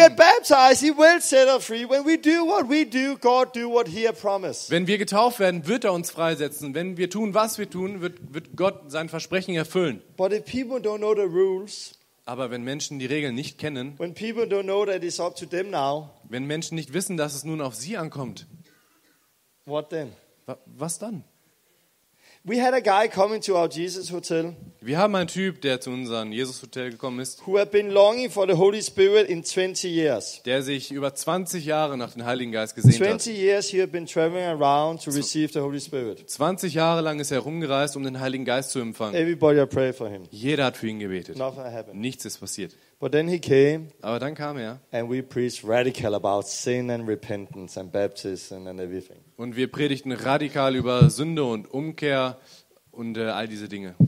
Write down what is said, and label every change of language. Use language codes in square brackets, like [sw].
[en] When we get baptized, he will set us free. When we do what we do, God do what he has promised. [de] Wenn wir getauft werden, wird er uns freisetzen. Wenn wir tun, was wir tun, wird Gott sein Versprechen erfüllen. [en] But if people don't know the rules. [de] Aber wenn Menschen die Regeln nicht kennen. [en] When people don't know that it's up to them now. [de] Wenn Menschen nicht wissen, dass es nun auf sie ankommt. [en] What then? [de] Was dann? [en] We had a guy coming to our Jesus hotel. [de] Wir haben einen Typ, der zu unserem Jesus Hotel gekommen ist. [en] Who had been longing for the Holy Spirit in 20 years. [de] Der sich über 20 Jahre nach dem Heiligen Geist gesehnt hat. [en] 20 years he had been traveling around to receive the Holy Spirit. [de] 20 Jahre lang ist er rumgereist, um den Heiligen Geist zu empfangen. [en] Everybody had prayed for him. [de] Jeder hat für ihn gebetet. [en] Nothing happened. [de] Nichts ist passiert. [en] But then he came. [de] Aber dann kam er. [en] And we preached radical about sin and repentance and baptism and everything. [de] Und wir predigten radikal über Sünde und Umkehr und all diese Dinge.